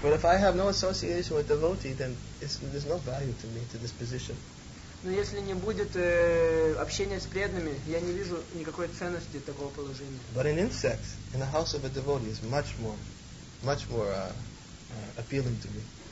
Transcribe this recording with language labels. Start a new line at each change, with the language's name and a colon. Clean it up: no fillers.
English: But if I have no association with devotee, then there's no value to me to this position.
Russian: Но если не будет общения с преданными, я не вижу никакой ценности такого положения.
English: But an insect in the house of a devotee is much more appealing to me.